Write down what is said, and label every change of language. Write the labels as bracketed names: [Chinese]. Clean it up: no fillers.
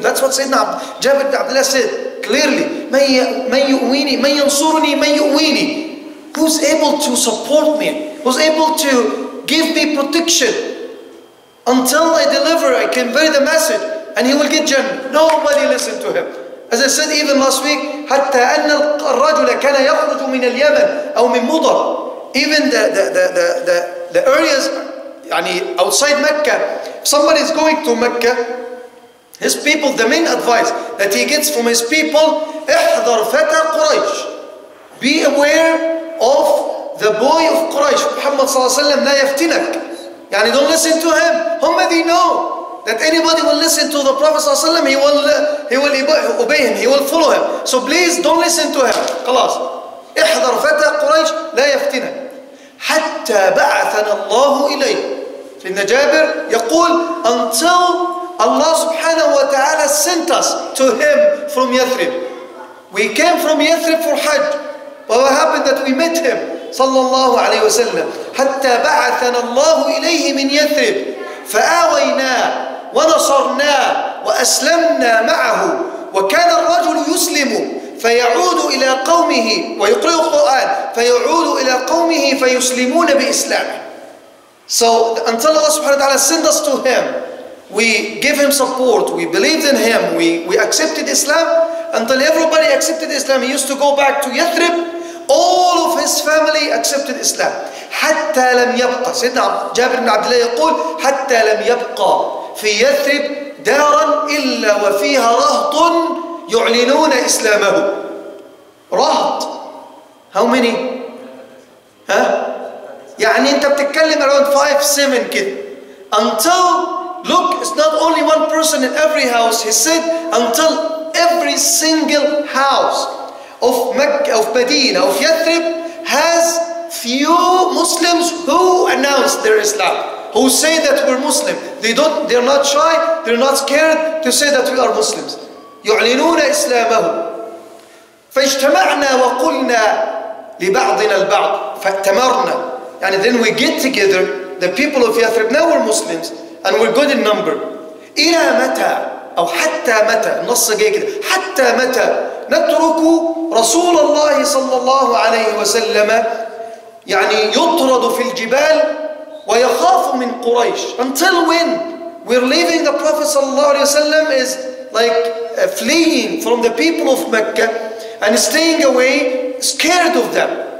[English] That's what Sayyidina Jabir ibn Abdullah said clearly. [Arabic] مَنْ يُؤْوِينِي مَنْ يَنْصُرُنِي مَنْ يُؤْوِينِي. [English] Who's able to support me? Who's able to give me protection until I deliver, I convey the message and he will get Jannah? Nobody listened to him. As I said even last week, [Arabic] حَتَّى أَنَّ الرَّجُلَ كَانَ يَخْرُجُ مِنَ الْيَمَنِ أَوْ مِنْ مُضَرَ. [English] Even the areas, يعني outside Mecca, somebody is going to Mecca. His people, the main advice that he gets from his people, [Arabic] احذر فتى قريش. [English] Be aware of the boy of Quraysh, Muhammad صلى الله عليه وسلم [Arabic] لا يفتنك. [English] يعني don't listen to him. How many know that anybody will listen to the Prophet صلى الله عليه وسلم, he will obey him, he will follow him. So please don't listen to him. [Arabic] خلاص. احذر فتى قريش لا يفتنك. حتى بعثنا الله إليه. سيدنا جابر يقول [English] until Allah سبحانه وتعالى sent us to him from Yathrib. We came from Yathrib for Hajj. But what happened that we met him صلى الله عليه وسلم. [Arabic] حتى بعثنا الله إليه من يثرب فآوينا ونصرنا وأسلمنا معه وكان الرجل يسلم فيعود إلى قومه ويقرأ القرآن فيعود إلى قومه فيسلمون بإسلامه. [English] So until Allah subhanahu wa ta'ala send us to him, we give him support, we believed in him, we accepted Islam. Until everybody accepted Islam, he used to go back to Yathrib. All of his family accepted Islam. [Arabic] حتى لم يبقى. سيدنا جابر بن عبد الله يقول حتى لم يبقى في يثرب دارا إلا وفيها رهط يعلنون إسلامه. رهط. [English] How many? Huh? [Arabic] يعني أنت بتتكلم [English] around [Arabic] 5-7 كده. [English] Until, look, it's not only one person in every house. He said, until every single house of Mecca, of Medina, of Yathrib has few Muslims who announce their Islam, who say that we're Muslim. They're not shy, they're not scared to say that we are Muslims. [Arabic] يعلنون إسلامه. فاجتمعنا وقلنا لبعضنا البعض. فاتمرنا. [English] And then we get together, the people of Yathrib, now we're Muslims, and we're good in number. [Arabic] إلى متى؟ أو حتى متى؟ النص جاي كده. حتى متى؟ نترك رسول الله صلى الله عليه وسلم يعني يطرد في الجبال ويخاف من قريش. [English] Until when we're leaving the Prophet صلى الله عليه وسلم is like fleeing from the people of Mecca and staying away, scared of them.